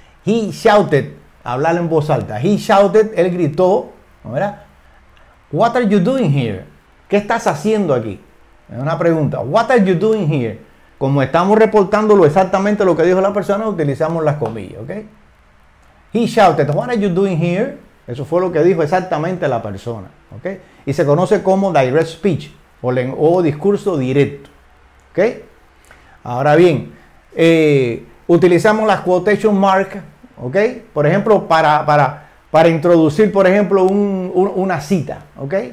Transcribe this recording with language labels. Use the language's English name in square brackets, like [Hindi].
[English] He shouted. [Spanish] Hablar en voz alta. [English] He shouted, [Spanish] él gritó, ¿no era? [English] What are you doing here? [Spanish] ¿Qué estás haciendo aquí? Es una pregunta. [English] What are you doing here? [Spanish] Como estamos reportándolo exactamente lo que dijo la persona, utilizamos las comillas, ¿ok? [English] He shouted, what are you doing here? [Spanish] Eso fue lo que dijo exactamente la persona, ¿ok? Y se conoce como [English] direct speech [Spanish] o discurso directo, ¿ok? Ahora bien, utilizamos las quotation marks. ¿Ok? Por ejemplo, para introducir, por ejemplo, una cita. ¿Ok?